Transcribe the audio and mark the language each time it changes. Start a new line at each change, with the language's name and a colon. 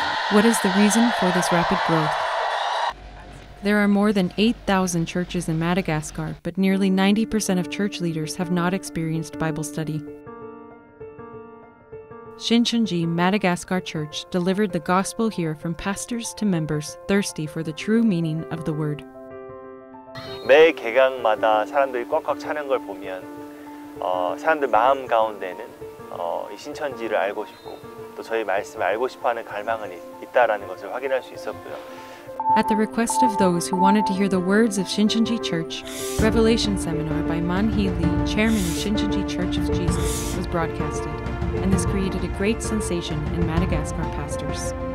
English: What is the reason for this rapid growth? There are more than 8,000 churches in Madagascar, but nearly 90% of church leaders have not experienced Bible study. Shincheonji Madagascar Church delivered the gospel here from pastors to members thirsty for the true meaning of the word.
Korean: 매 개강마다 사람들이 꽉꽉 차는 걸 보면 사람들 마음 가운데는 이 신천지를 알고 싶고 또 저희 말씀을 알고 싶어하는 갈망은 있다라는 것을 확인할 수 있었고요.
English: At the request of those who wanted to hear the words of Shincheonji Church, Revelation Seminar by Man Hee Lee, Chairman of Shincheonji Church of Jesus, was broadcasted. And this created a great sensation in Madagascar pastors.